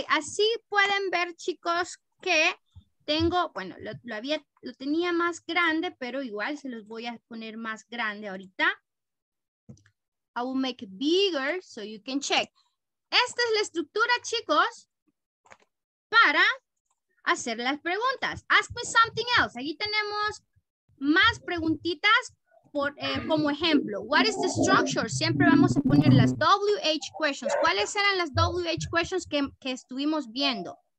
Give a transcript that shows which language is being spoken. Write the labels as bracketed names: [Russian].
[Spanish] Así pueden ver, chicos, que tengo, bueno, lo tenía más grande, pero igual se los voy a poner más grande ahorita. [English] I will make it bigger so you can check. [Spanish] Esta es la estructura, chicos, para hacer las preguntas. [English] Ask me something else. [Spanish] Aquí tenemos más preguntitas por, como ejemplo, [English] what is the structure? [Spanish] Siempre vamos a poner las WH questions. ¿Cuáles eran las WH questions que estuvimos viendo?